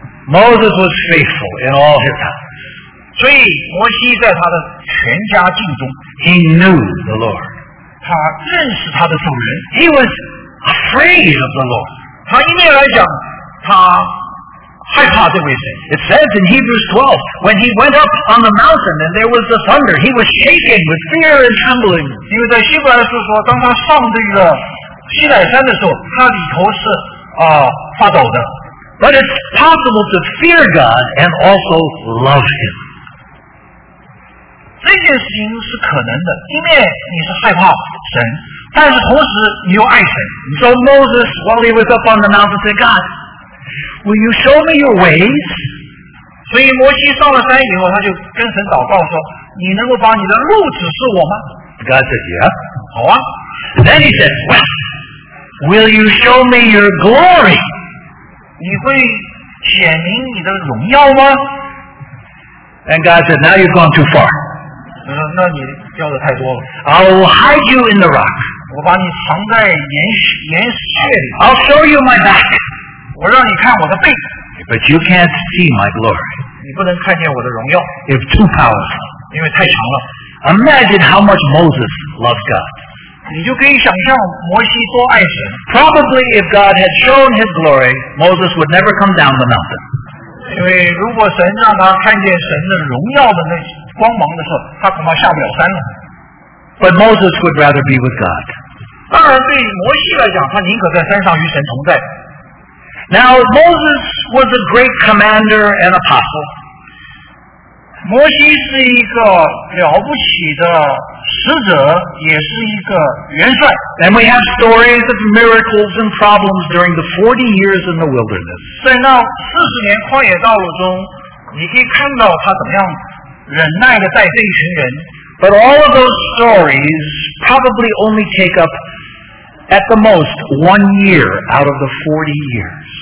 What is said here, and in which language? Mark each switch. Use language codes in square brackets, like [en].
[en] Moses was faithful in all his house. [zh] 所以摩西在他的全家尽忠。 [en] He knew the Lord. [zh] 他认识他的主人。 [en] He was afraid of the Lord. [zh] 他一面来讲，他害怕这位神。 [en] It says in Hebrews 12, when he went up on the mountain and there was the thunder, he was shaken with fear and trembling. [zh] 因为在希伯来书说，当他上这个西乃山的时候，他里头是发抖的。 [en] But it's possible to fear God and also love Him. [zh] 这件事情是可能的，一面你是害怕神，但是同时你又爱神。 [en] So Moses, while he was up on the mountain, said, God, will you show me your ways? [zh] 所以摩西上了山以后，他就跟神祷告说，你能够把你的路指示我吗？ [en] God said, yeah. [zh] 好啊。 [en] Then he said, well, will you show me your glory? [zh] 你会显明你的荣耀吗？ [en] And God said, now you've gone too far. [zh] 那你掉的太多了。 [en] I'll hide you in the rock. [zh] 我把你藏在岩穴里。 [en] I'll show you my back. [zh] 我让你看我的背。 [en] But you can't see my glory. [zh] 你不能看见我的荣耀。 [en] It's too powerful. [zh] 因为太强了。 [en] Imagine how much Moses loved God. [zh] 你就可以想象摩西多爱神。 [en] Probably if God had shown his glory, Moses would never come down the mountain. [zh] 因为如果神让他看见神的荣耀的那光芒的时候，他恐怕下不了山了。 [en] But Moses would rather be with God. [zh] 当然对摩西来讲，他宁可在山上与神同在。 [en] Now Moses was a great commander and apostle. [zh] 摩西是一个了不起的使者，也是一个元帅。 [en] And we have stories of miracles and problems during the 40 years in the wilderness. [zh] 在那四十年旷野道路中，你可以看到他怎么样忍耐的带这一群人。 [en] But all of those stories probably only take up at the most 1 year out of the 40 years.